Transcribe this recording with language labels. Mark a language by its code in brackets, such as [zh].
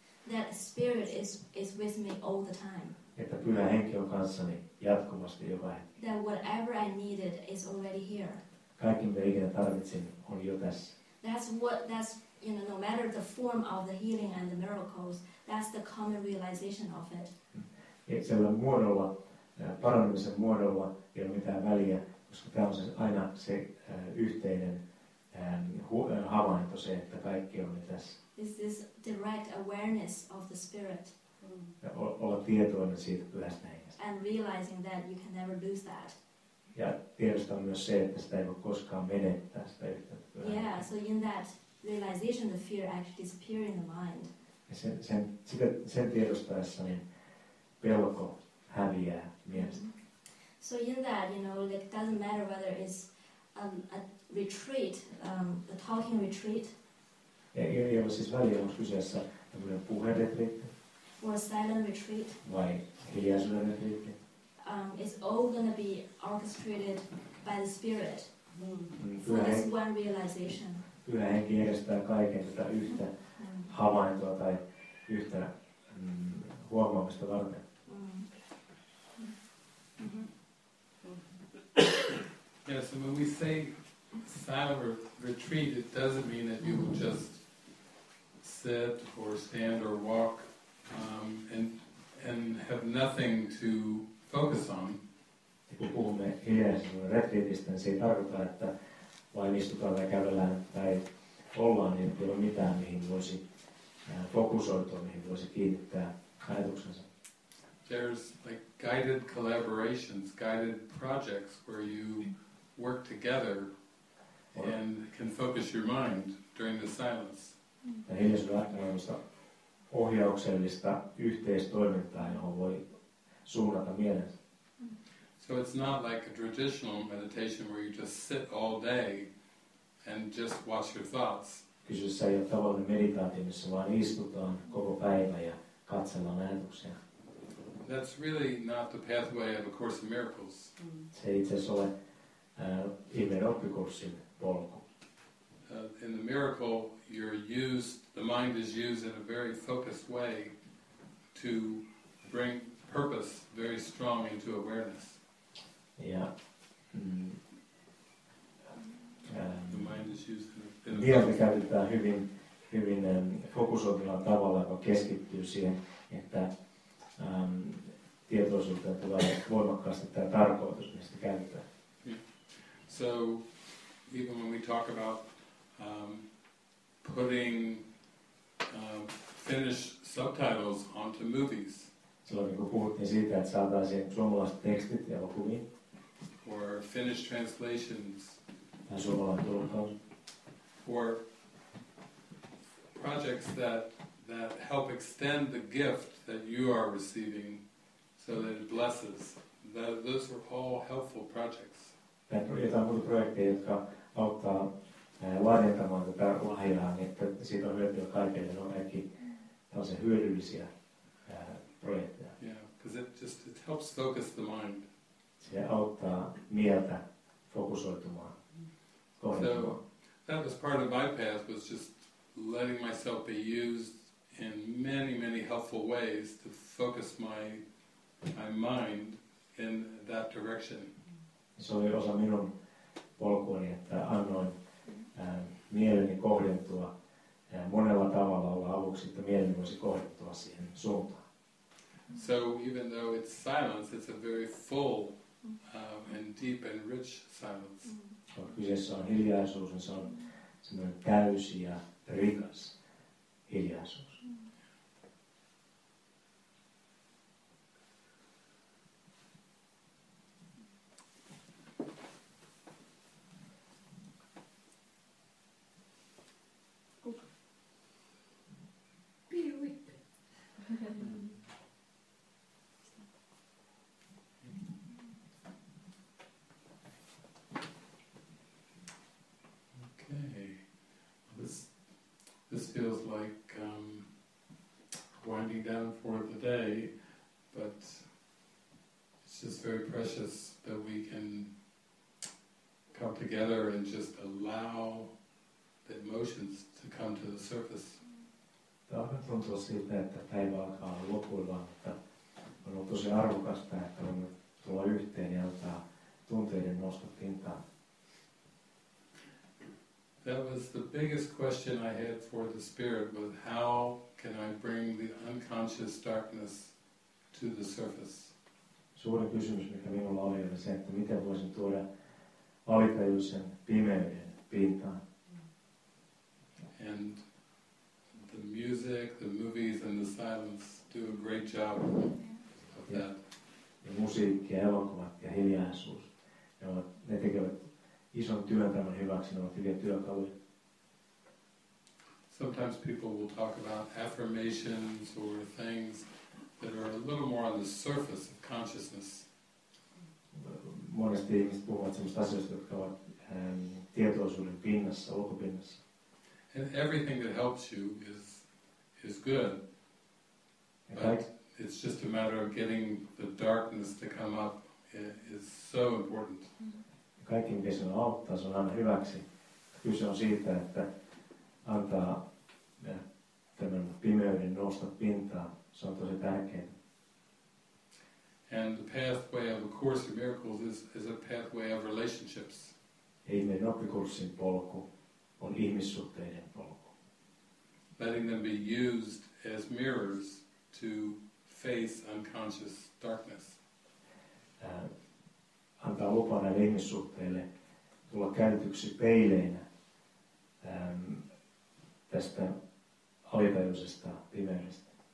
[en] That spirit is with me all the time. [fi] Että Pyhä Henki on kanssani jatkuvasti joka hetki. [en] That whatever I needed is already here. [fi] Kaikki mitä ikinä tarvitsin on jo tässä. [en] That's you know, no matter the form of the healing and the miracles, that's the common realization of it. [fi] Ja sillä muodolla, parannumisen muodolla, ei ole mitään väliä, koska tämä on se, aina se yhteinen havainto se, että kaikki on tässä. [en] Is this the right awareness of the spirit? [fi] Ja olla tietoinen siitä pyhästä hengestä. [en] And realizing that you can never lose that. [fi] Ja tiedostaa myös se, että sitä ei voi koskaan menettää sitä yhteyttä. [en] Yeah, so in that realization, the fear actually disappears in the mind. [fi] Ja sen tiedostaessa niin pelko häviää mielestä. [en] So in that, you know, it doesn't matter whether it's a retreat, a talking retreat. [fi] Ei ole siis väliä, onko kyseessä tämmöinen puheretriitti. [en] Or a silent retreat. [fi] Vai hiljaisuuden retriitti. [en] It's all gonna be orchestrated by the spirit for this one realization. [fi] Pyhä henki järjestää kaiken tätä yhtä havaintoa tai yhtä huomaamista varten. [en] Yeah, so when we say silent retreat, it doesn't mean that you will just sit or stand or walk and have nothing to focus on. [fi] Kun puhumme hiljaisuuden retriitistä, niin se ei tarkoita, että vain istutaan tai kävellään tai ollaan, niin ei ole mitään, mihin voisi fokusoitua, mihin voisi kiinnittää ajatuksensa. [en] There's like guided collaborations, guided projects where you work together and can focus your mind during the silence. [fi] Hiljaisuudessa ohjauksellista yhteistoimintaa, johon voi suunnata mielensä. [en] So it's not like a traditional meditation where you just sit all day and just watch your thoughts. [fi] Kyseessä ei ole tavallinen meditaatio, missä vaan istutaan koko päivä ja katsellaan ajatuksia. [en] That's really not the pathway of A Course in Miracles. [fi] Se ei itse asiassa ole ihmeen oppikurssin polku. [en] In the miracle, the mind is used in a very focused way to bring purpose very strong into awareness. [fi] Ja, [en] the mind is used in a [fi] mieltä käytetään hyvin, hyvin fokusoitulla tavalla, joka keskittyy siihen, että tietoisuutta tulee voimakkaasti tämä tarkoitus, mistä käytetään. [en] So even when we talk about putting Finnish subtitles onto movies, [fi] silloin kun puhuttiin siitä, että saataisiin suomalaiset tekstit ja elokuviin, [en] or Finnish translations, [fi] tai suomalaiset tulkkaus, [en] or projects that help extend the gift that you are receiving so that it blesses, those are all helpful projects. [fi] Jotain muuta projekteja, jotka auttaa laajentamaan tätä lahjaa, niin että siitä on hyötyä kaikille, ne on ehkä tällaisia hyödyllisiä projekteja. [en] Yeah, because it helps focus the mind. [fi] Se auttaa mieltä fokusoitumaan, kohdentumaan. [en] So that was part of my path, was just letting myself be used in many, many helpful ways to focus my mind in that direction. [fi] Se oli osa minun polkuani, että annoin mieleni kohdentua monella tavalla, olla avuksi, että mieleni voisi kohdentua siihen suuntaan. [en] So even though it's silence, it's a very full and deep and rich silence. [fi] Kyseessä on hiljaisuus, se on semmoinen täysi ja rikas hiljaisuus. [en] Okay. This feels like winding down for the day, but it's just very precious that we can come together and just allow the emotions to come to the surface. [fi] Tämä on tuntuu siltä, että päivä alkaa lopuillaan, mutta on ollut tosi arvokasta, että voimme tulla yhteen ja antaa tunteiden nostaa pintaan. [en] That was the biggest question I had for the spirit, was how can I bring the unconscious darkness to the surface? [fi] Suuri kysymys, mikä minulla oli se, että miten voisin tuoda alitajuisen pimeyden pintaan. [en] And the music, the movies and the silence do a great job of that. [fi] Ja musiikki, elokuvat ja hiljaisuus, ne tekevät ison työn tämän hyväksi, ne ovat hyviä työkaluja. [en] Sometimes people will talk about affirmations or things that are a little more on the surface of consciousness. [fi] Monesti ihmiset puhuvat sellaista asioista, jotka ovat tietoisuuden pinnassa, ulkopinnassa. [en] And everything that helps you is good. But it's just a matter of getting the darkness to come up. It is so important. [fi] Kaikki, mikä sinun auttaa, se on aina hyväksi. Kyse on siitä, että antaa tämän pimeyden nousta pintaan. Se on tosi tärkeää. [en] And the pathway of A Course in Miracles is a pathway of relationships. [fi] Ihmeen oppikurssin polku on ihmissuhteiden polku. [en] Letting them be used as mirrors to face unconscious darkness. [fi] Antaa lupa näille ihmissuhteille tulla käytetyksi peileinä tästä alitajuisesta pimeydestä.